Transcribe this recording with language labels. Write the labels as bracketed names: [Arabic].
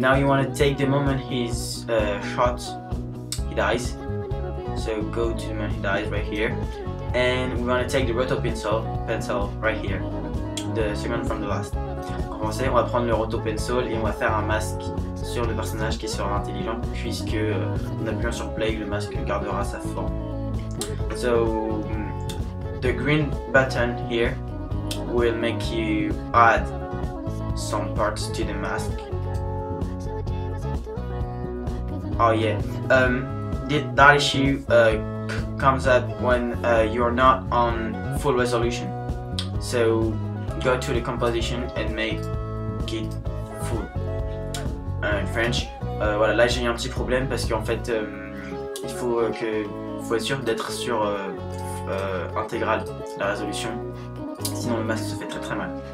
[English] Now you wanna take the moment he's shot, he dies. So go to the moment he dies right here. And we're gonna take the roto pencil right here, the second from the last. [French] On va prendre le roto pencil et on va faire un masque sur le personnage qui sera intelligent, puisque en appuyant sur play, le masque gardera sa forme. [English] So the green button here will make you add some parts to the mask. Oh yeah. That issue comes up when you're not on full resolution. So go to the composition and make it full. In French, [French] voilà, là j'ai un petit problème parce qu'en fait il faut être sûr d'être sur intégrale la résolution, sinon le masque se fait très très mal.